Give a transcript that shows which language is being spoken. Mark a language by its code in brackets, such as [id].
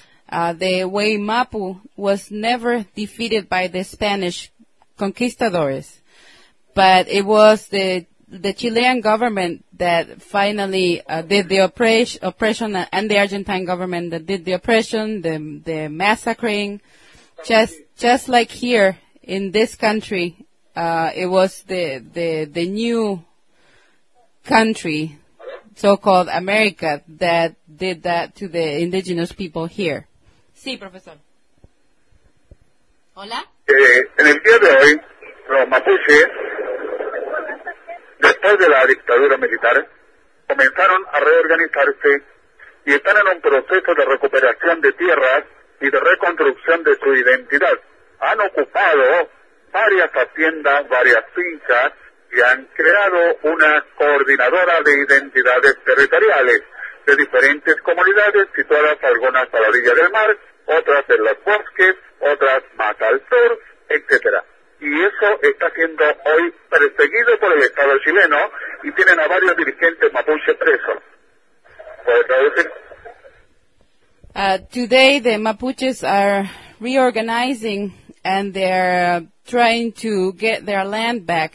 [en] The Waymapu was never defeated by the Spanish conquistadors, but it was the Chilean government that finally did the oppression, and the Argentine government that did the oppression, the massacring, just like here in this country. It was the new country, so-called America, that did that to the indigenous people here. [es] Sí, profesor. Hola. En el día de hoy, los mapuches, después de la dictadura militar, comenzaron a reorganizarse y están en un proceso de recuperación de tierras y de reconstrucción de su identidad. Han ocupado varias haciendas, varias fincas y han creado una coordinadora de identidades territoriales de diferentes comunidades situadas algunas a la orilla del mar, otras en los bosques, otras más al sur, etcétera. Y eso está siendo hoy perseguido por el Estado chileno y tienen a varios dirigentes mapuche presos. ¿Puede traducir? [en] Today the Mapuches are reorganizing and they're trying to get their land back.